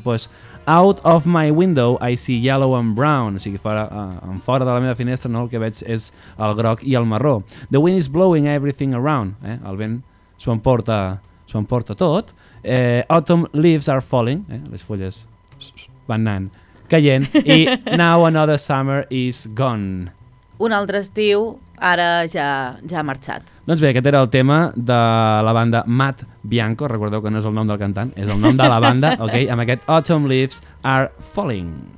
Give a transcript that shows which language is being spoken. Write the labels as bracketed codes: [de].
[en] Pues, out of my window I see yellow and brown. [ca] O sigui, fora de la meva finestra, no, el que veig és el groc i el marró. [en] The wind is blowing everything around. [ca] El vent s'ho emporta tot. [en] Autumn leaves are falling. [ca] Les fulles van anant caient. [en] I now another summer is gone. [ca] Un altre estiu ara ja ha marxat. Doncs bé, aquest era el tema de la banda Matt Bianco. Recordeu que no és el nom del cantant, és el nom de la banda, ok? Amb aquest Autumn Leaves Are Falling.